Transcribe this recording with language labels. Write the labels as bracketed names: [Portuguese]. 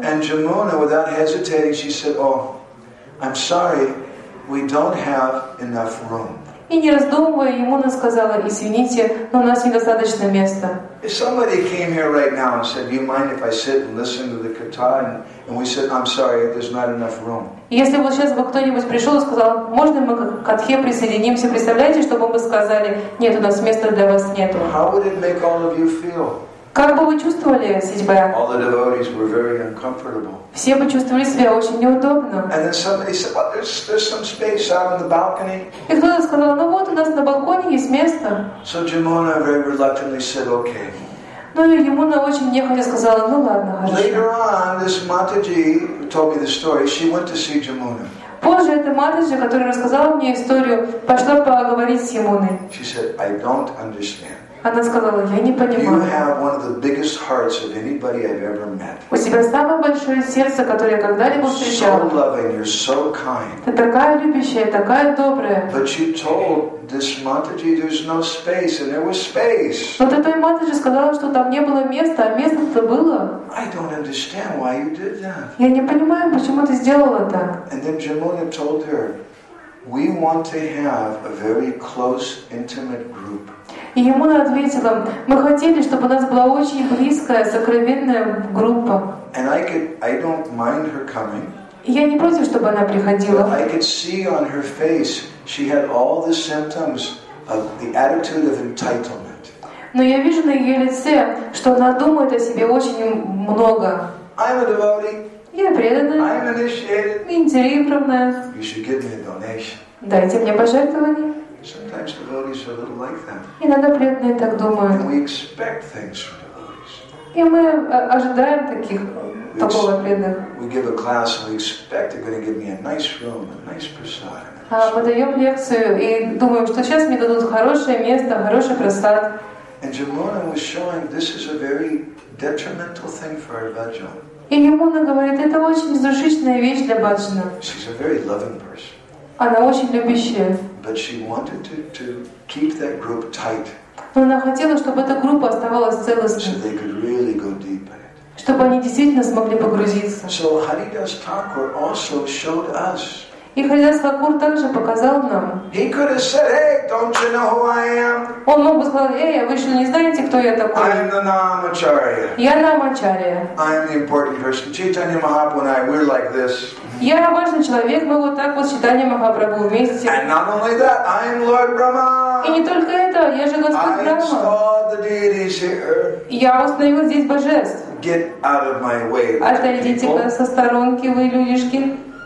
[English] And Jamuna, without hesitating, she said, "Oh, I'm sorry, we don't have enough room." [Russian] И не раздумывая, Ямуна сказала, извините, но у нас недостаточно места. [English] If somebody came here right now and said, "Do you mind if I sit and listen to the kirtan?" And we said, "I'm sorry, there's not enough room." [Russian] Если бы сейчас бы кто-нибудь пришел и сказал, можно мы к катхе присоединимся, представляете, чтобы мы сказали, нет, у нас места для вас нету. [English] How would it make all of you feel? [Russian] Как бы вы чувствовали себя? [English] All the devotees were very uncomfortable. [Russian] Все бы чувствовали себя очень неудобно. [English] And then somebody said, "Well, there's some space out on the balcony." [Russian] И кто-то сказал, ну вот у нас на балконе есть место. [English] So Jamuna very reluctantly said, "Okay." [Russian] Ну и Ямуна очень нехотя сказала, ну ладно, хорошо. [English] Later on, this Mataji told me the story. She went to see Jamuna. [Russian] Позже эта Матаджи, которая рассказала мне историю, пошла поговорить с Ямуной. [English] She said, "I don't understand." [Russian] Она сказала, я не понимаю. [English] You have one of the biggest hearts of anybody I've ever met. [Russian] У тебя самое большое сердце, которое я когда-либо встречала. [English] So loving, you're so kind. [Russian] Ты такая любящая, такая добрая. [English] But you told this Mataji there's no space, and there was space. [Russian] Но ты той Матаджи сказала, что там не было места, а место-то было. [English] I don't understand why you did that. [Russian] Я не понимаю, почему ты сделала так. [English] And then Jamuna told her, "We want to have a very close, intimate group." [Russian] И Ямуна ответила, мы хотели, чтобы у нас была очень близкая, сокровенная группа. [English] And I don't mind her coming. [Russian] И я не против, чтобы она приходила. [English] But I could see on her face, she had all the symptoms of the attitude of entitlement. [Russian] Но я вижу на ее лице, что она думает о себе очень много. [English] I'm a devotee. [Russian] Я преданная. [English] I'm initiated. [Russian] Интерированная. [English] You should give me a donation. [Russian] Дайте мне пожертвование. [English] Sometimes devotees are a little like that. [Russian] Иногда преданные так думают. [English] And we expect things from devotees. [Russian] И мы ожидаем такого преданных. [English] We give a class and we expect they're going to give me a nice room, a nice prasad. [Russian] Мы даем лекцию и думаем, что сейчас мне дадут хорошее место, хороший прасад. [English] And Jamuna was showing this is a very detrimental thing for our bhajan. [Russian] И Ямуна говорит, это очень разрушительная вещь для бхаджана. [English] She's a very loving person. [Russian] Она очень любящая. [English] But she wanted to keep that group tight. [Russian] Но она хотела, чтобы эта группа оставалась целостной. [English] So they could really go deep in it. [Russian] Чтобы они действительно смогли погрузиться. [English] So Haridas Thakur also showed us. [Russian] И Харидас Такур также показал нам. [English] He could have said, "Hey, don't you know who I am?" [Russian] Он мог бы сказать, "Эй, вы что, не знаете, кто я такой?" [English] I'm the Namacharya. [Russian] Я Намачария. [English] I'm the important person. Chaitanya Mahaprabhu and I, we're like this. [Russian] Я важный человек, мы вот так вот с Чайтаньей Махапрабху вместе. [English] And not only that, I'm Lord Brahma. [Russian] И не только это, я же Господь Брахма. [English] I saw the deities here. [Russian] Я установил здесь божеств. [English] Get out of my way, people. [Russian] Отойдите-ка со сторонки, вы людишки.